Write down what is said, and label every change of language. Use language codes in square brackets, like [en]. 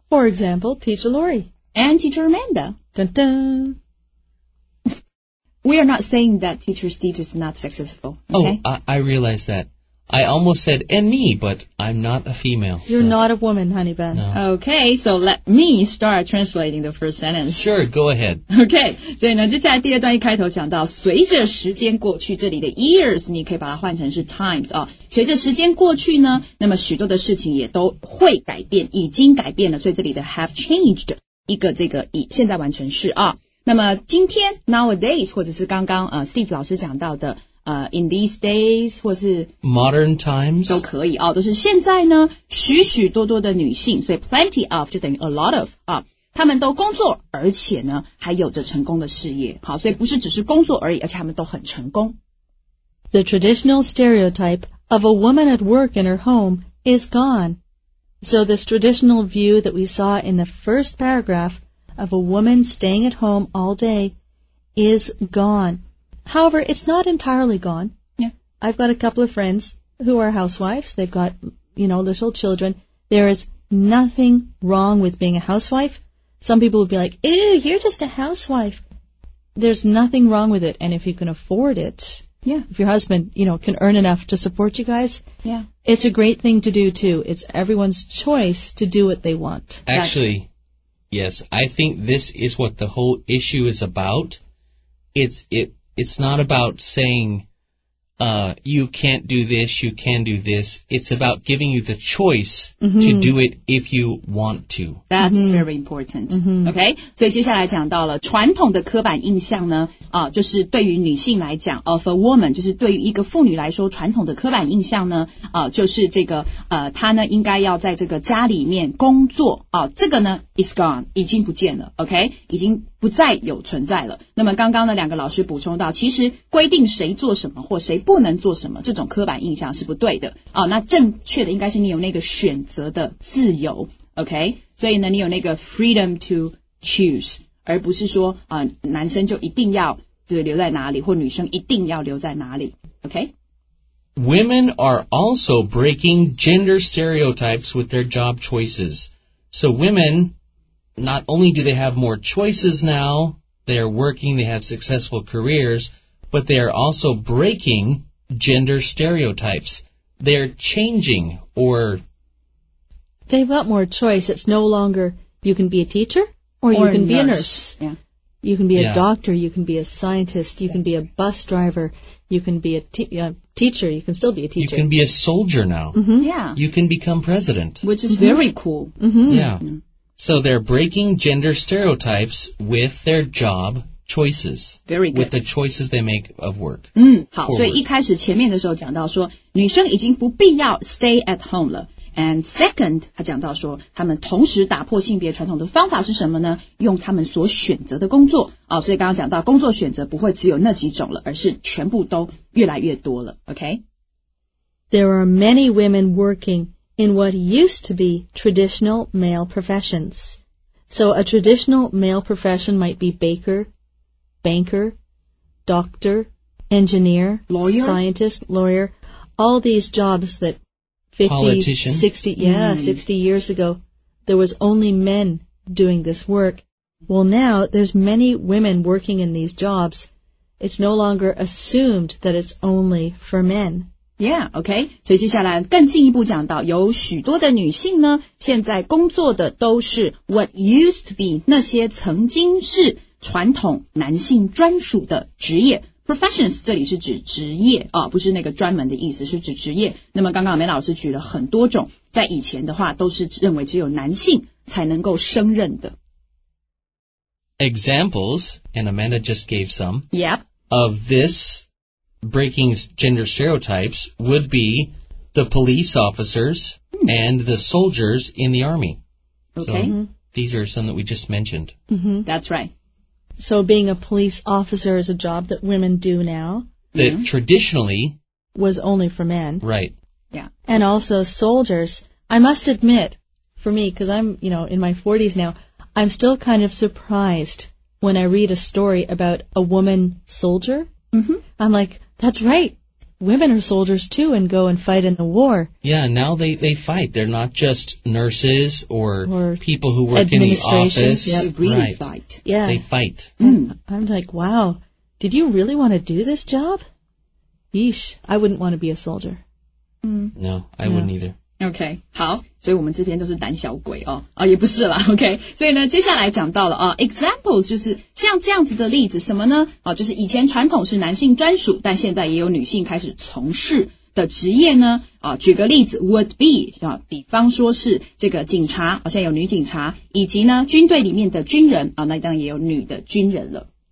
[en] For example, Teacher Lori. And Teacher Amanda. Dun, dun. We are not saying that Teacher Steve is not successful. Okay? Oh, I realize that. I almost said, and me, but I'm not a female. You're not a woman, honey bun. No. Okay, so let me start translating the first sentence. Sure, go ahead. [zh] Okay, 所以呢，接下来第二段一开头讲到，随着时间过去，这里的 years 你可以把它换成是 times 啊、哦。随着时间过去呢，那么许多的事情也都会改变，已经改变了，所以这里的 [en] have changed [zh] 一个这个以现在完成式啊、哦。那么今天 nowadays 或者是刚刚Steve 老师讲到的。 [en] In these days, [zh] 或是 [en] modern times, [zh] 都可以哦，都是现在呢，许许多多的女性，所以 [en] plenty of [zh] 就等于 [en] a lot of [zh] 啊，她们都工作，而且呢，还有着成功的事业。好，所以不是只是工作而已，而且她们都很成功。 [en] The traditional stereotype of a woman at work in her home is gone. So this traditional view that we saw in the first paragraph of a woman staying at home all day is gone. However, it's not entirely gone. Yeah. I've got a couple of friends who are housewives. They've got, you know, little children. There is nothing wrong with being a housewife. Some people would be like, ew, you're just a housewife. There's nothing wrong with it. And if you can afford it, yeah, if your husband, you know, can earn enough to support you guys, yeah, it's a great thing to do, too. It's everyone's choice to do what they want. Actually, yes, I think this is what the whole issue is about. It's not about saying, you can't do this, you can do this. It's about giving you the choice to do it if you want to. That's very important. Okay? [zh] 所以接下来讲到了传统的刻板印象呢、就是对于女性来讲 [en] of a woman, [zh] 就是对于一个妇女来说传统的刻板印象呢、就是这个、她呢应该要在这个家里面工作、这个呢 [en] is gone, [zh] 已经不见了 OK? 已经不再有存在了。那么刚刚呢两个老师补充到其实规定谁做什么或谁不能做什么这种刻板印象是不对的。哦、那正确的应该是你有那个选择的自由。 [en] OK? [zh] 所以呢你有那个 [en] freedom to choose, [zh] 而不是说、男生就一定要留在哪里或女生一定要留在哪里。 [en] OK? Women are also breaking gender stereotypes with their job choices. So women... Not only do they have more choices now, they are working, they have successful careers, but they are also breaking gender stereotypes. They're changing, or... They've got more choice. It's no longer you can be a teacher, or you can be a nurse. Yeah. You can be a doctor, you can be a scientist, you can be a bus driver, you can be a teacher, you can still be a teacher. You can be a soldier now. Mm-hmm. Yeah. You can become president. Which is very cool. Mm-hmm. Yeah. So they're breaking gender stereotypes with their job choices. Very good. With the choices they make of work. [zh] 好所以一开始前面的时候讲到说女生已经不必要 [en] stay at home [zh] 了。 [en] And second, [zh] 他讲到说他们同时打破性别传统的方法是什么呢用他们所选择的工作。所以刚刚讲到工作选择不会只有那几种了而是全部都越来越多了。 [en] Okay? There are many women working. In what used to be traditional male professions. So a traditional male profession might be baker, banker, doctor, engineer, lawyer? Scientist, lawyer. All these jobs that 60 years ago, there was only men doing this work. Well, now there's many women working in these jobs. It's no longer assumed that it's only for men. Yeah, okay. [zh] 所以接下来更进一步讲到有许多的女性呢现在工作的都是 [en] what used to be [zh] 那些曾经是传统男性专属的职业 professions 这里是指职业、哦、不是那个专门的意思是指职业那么刚刚梅老师举了很多种在以前的话都是认为只有男性才能够升任的 [en] Examples and Amanda just gave some Yep of thisBreaking gender stereotypes would be the police officers and the soldiers in the army. Okay. So, these are some that we just mentioned. Mm-hmm. That's right. So being a police officer is a job that women do now. That traditionally was only for men. Right. Yeah. And also soldiers. I must admit, for me, because I'm, you know, in my 40s now, I'm still kind of surprised when I read a story about a woman soldier. Mm-hmm. I'm like, that's right. Women are soldiers, too, and go and fight in the war. Yeah, now they fight. They're not just nurses or people who work in the office. Yep. They really fight. Yeah. They fight. Mm. I'm like, wow, did you really want to do this job? Yeesh, I wouldn't want to be a soldier. Mm. No, I wouldn't either. [zh] OK, 好所以我们这边都是胆小鬼哦啊也不是啦 ,OK, 所以呢接下来讲到了啊 ,examples 就是像这样子的例子什么呢啊就是以前传统是男性专属但现在也有女性开始从事的职业呢啊举个例子 , [en] would be, [zh] 啊比方说是这个警察好像有女警察以及呢军队里面的军人啊那当然也有女的军人了。